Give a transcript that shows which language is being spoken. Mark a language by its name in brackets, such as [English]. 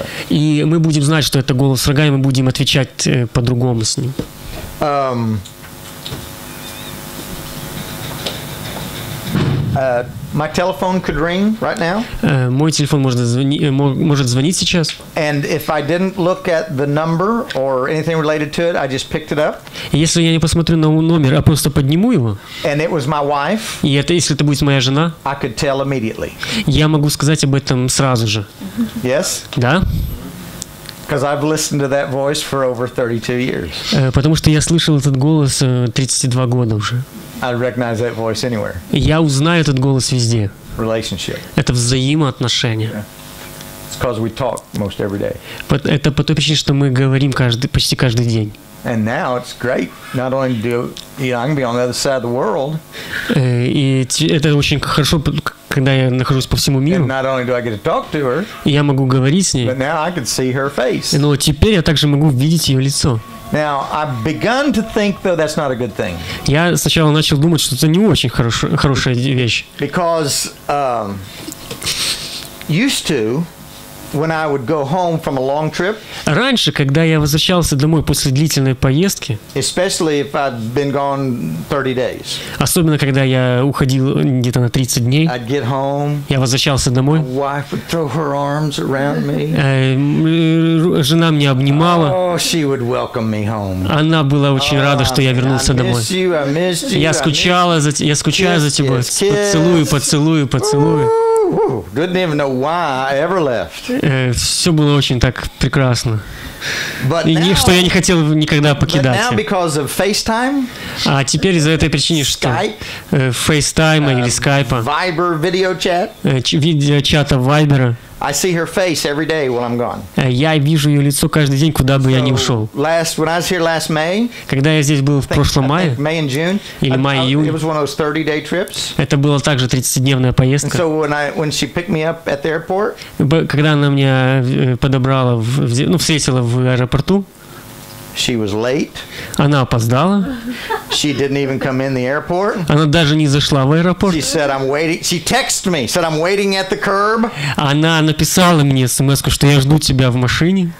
[Russian] И мы будем знать, что это голос врага, и мы будем отвечать по-другому с ним. [English] My telephone could ring right now. [Russian] Мой телефон может звонить сейчас. [English] And if I didn't look at the number or anything related to it, I just picked it up. [Russian] Если я не посмотрю на номер, а просто подниму его. [English] And it was my wife. [Russian] И это, если это будет моя жена. [English] I could tell immediately. [Russian] Я могу сказать об этом сразу же. [English] Yes? [Russian] Да. [English] Because I've listened to that voice for over 32 years. [Russian] Потому что я слышал этот голос 32 года уже. [English] I'd recognize that voice anywhere. [Russian] Я узнаю этот голос везде. [English] Relationship. [Russian] Это взаимоотношения. [English] Yeah. It's because we talk most every day. [Russian] Это по той причине, что мы говорим почти каждый день. [English] And now it's great. Not only do you know, I can be on the other side of the world. [Russian] И это очень хорошо, когда я нахожусь по всему миру. [English] And not only do I get to talk to her. [Russian] Я могу говорить с ней. [English] But now I can see her face. [Russian] Но теперь я также могу видеть ее лицо. [English] Now I've begun to think, though that's not a good thing. [Russian] Я сначала начал думать, что это не очень хорошая вещь. [English] Because used to when I would go home from a long trip. [Russian] Раньше, когда я возвращался домой после длительной поездки. [English] Especially if I'd been gone 30 days. [Russian] Особенно когда я уходил где-то на 30 дней. [English] I'd get home. [Russian] Я возвращался домой. [English] My wife would throw her arms around me. [Russian] Жена меня обнимала. [English] Oh, she would welcome me home. [Russian] Она была очень рада, что я вернулся домой. [English] I miss you, I miss you. [Russian] Я скучала за тебя. [English] Kiss, kiss. [Russian] Поцелую. [English] Didn't even know why I ever left. [Russian] Все было очень так прекрасно. [English] But now, [Russian] что я не хотел никогда покидать. [English] But now because of FaceTime. [Russian] А теперь из-за этой причины, что FaceTime или Skype. [English] Viber video chat. [Russian] Видеочата Вайбера. [English] I see her face every day while I'm gone. [Russian] Я вижу ее лицо каждый день, куда бы я ни ушел. [English] When I was here last May. [Russian] Когда я здесь был в прошлом мае. [English] May and June. [Russian] Или май и июнь. [English] It was one of those 30-day trips. [Russian] Это была также 30-дневная поездка. [English] And so when she picked me up at the airport. [Russian] Когда она меня подобрала, встретила в аэропорту. [English] She was late. [Russian] Она опоздала. [English] She didn't even come in the airport. [Russian] Она даже не зашла в аэропорт. [English] She said I'm waiting. She texted me. Said I'm waiting at the curb. [Russian] Она написала мне смс-ку, что я жду тебя в машине.